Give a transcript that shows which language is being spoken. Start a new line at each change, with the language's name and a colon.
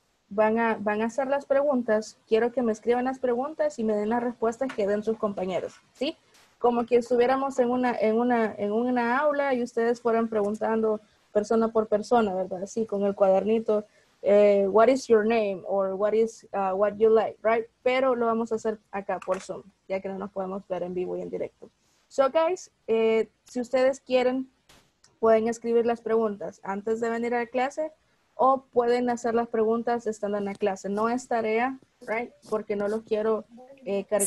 Spanish: Van a hacer las preguntas. Quiero que me escriban las preguntas y me den las respuestas que den sus compañeros, ¿sí? Como que estuviéramos en una aula y ustedes fueran preguntando persona por persona, ¿verdad? Así con el cuadernito,
English: what is your name or what is what you like, right?
Spanish: Pero lo vamos a hacer acá por Zoom, ya que no nos podemos ver en vivo y en directo.
English: So guys,
Spanish: si ustedes quieren, pueden escribir las preguntas antes de venir a la clase o pueden hacer las preguntas estando en la clase. No es tarea,
English: right?
Spanish: Porque no los quiero cargar.